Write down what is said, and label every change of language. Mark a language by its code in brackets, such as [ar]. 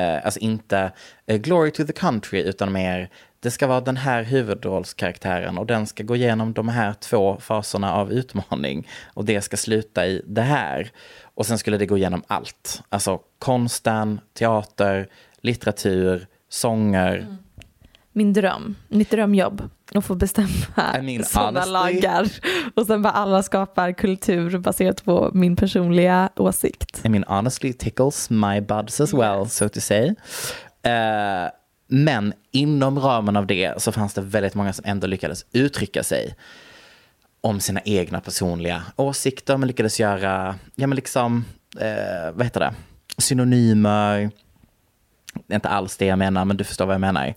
[sv] Alltså inte [en] glory to the country, [sv] utan mer det ska vara den här huvudrollskaraktären och den ska gå igenom de här två faserna av utmaning och det ska sluta i det här. Och sen skulle det gå igenom allt. Alltså konsten, teater, litteratur, sånger. Mm. Min dröm, mitt drömjobb, att få bestämma sådana lagar. Och sen bara alla skapar kultur baserat på min personliga åsikt. [en] I mean, honestly tickles my buds as well, yes. So to say. [sv] Men inom ramen av det så fanns det väldigt många som ändå lyckades uttrycka sig om sina egna personliga åsikter. Men lyckades göra, ja men liksom, vad heter det? Synonymer. Inte alls det jag menar, men du förstår vad jag menar.